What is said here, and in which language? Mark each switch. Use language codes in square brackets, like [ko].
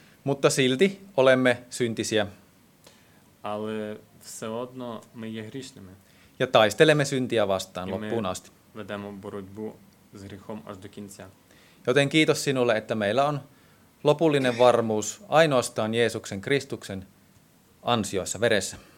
[fi] Mutta silti olemme syntisiä. [uk] Але все одно ми є грішними. [fi] Ja taistelemme syntiä vastaan ja loppuun asti. [uk] Ведемо боротьбу з гріхом аж до кінця. [fi] Joten kiitos sinulle, että meillä on lopullinen varmuus ainoastaan Jeesuksen Kristuksen ansioissa veressä.